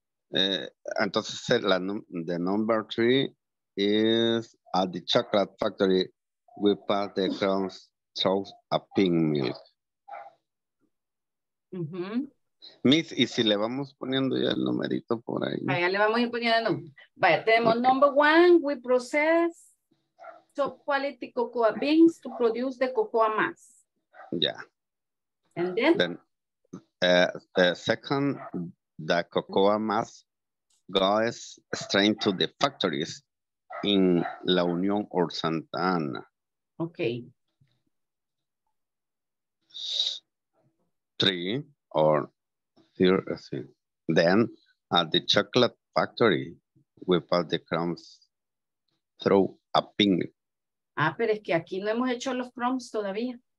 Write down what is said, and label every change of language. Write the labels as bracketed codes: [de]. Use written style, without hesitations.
[es] entonces [en] the number three is at the chocolate factory we pass the crumbs through a pin mill. [es] Miss, y si le vamos poniendo ya el numerito por ahí. Ya le vamos a ir poniendo. Vaya, tenemos okay. [en] Number one, we process top quality cocoa beans to produce the cocoa mass. Yeah. And then the second, the cocoa mass goes straight to the factories in La Union or Santa Ana. Okay. Three or three. Then at the chocolate factory, we pass the crumbs through a pin. [es] Ah, pero es que aquí no hemos hecho los crumbs todavía.